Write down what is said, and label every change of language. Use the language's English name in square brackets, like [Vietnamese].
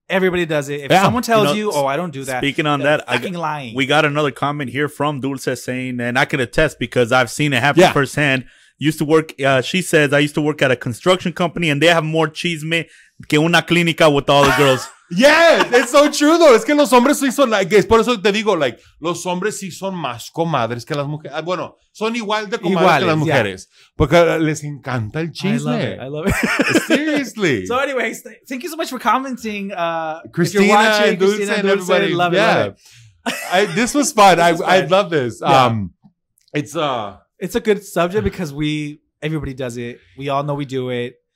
[English] Everybody does it. If someone tells you, I don't do that. Speaking on that, fucking lying. We got another comment here from Dulce saying, and I can attest because I've seen it happen firsthand. Used to work, she says, I used to work at a construction company and they have more [Spanish] chisme que una clínica [English] with all the girls. Yes, it's so true though. [Spanish] Es que los hombres sí son, like, es por eso te digo, like, los hombres sí son más comadres que las mujeres. Bueno, son igual de comadres iguales, que las mujeres. [English] Yeah. [Spanish] Porque les encanta el chisme. [English] I love it. Seriously. So anyways, thank you so much for commenting. Christina, if you're watching, Christina, and everybody. Love it. This was fun. I love this. Yeah. It's a good subject because everybody does it. We all know we do it.